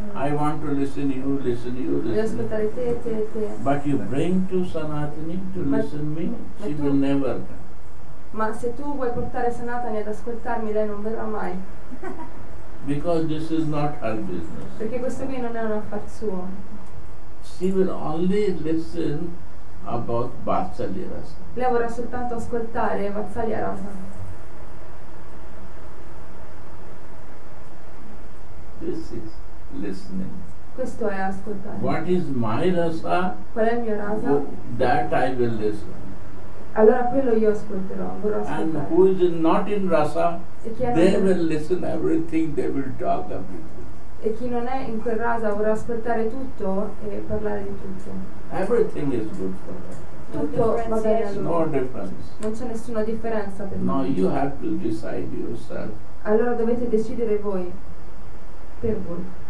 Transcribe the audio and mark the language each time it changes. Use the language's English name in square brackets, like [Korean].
[English] I want to listen you, listen you, listen. [Italian] Voglio ascoltare te. [English] But you bring to Sanatani to listen me, she will never come. [Italian] Ma se tu vuoi portare Sanatani ad ascoltarmi, lei non verrà mai. [English] Because this is not her business. [Italian] Perché questo qui non è un affar suo. [English] She will only listen about Vatsalya Rasa. [Italian] Lei vorrà soltanto ascoltare Vatsalya Rasa. [English] This is listening. [Italian] Questo è ascoltare. [English] What is my rasa? [Italian] Qual è il mio rasa? [English] That I will listen. [Italian] Allora quello io ascolterò, vorrò ascoltare. [English] And who is not in rasa, they will listen everything, they will talk everything. [Italian] E chi non è in quel rasa vorrà ascoltare tutto e parlare di tutto. [English] Everything is good for them. [Italian] Tutto va bene. [English] No difference. [Italian] Non c'è nessuna differenza per [English] noi. No, you have to decide yourself. [Italian] Allora dovete decidere voi. Per voi.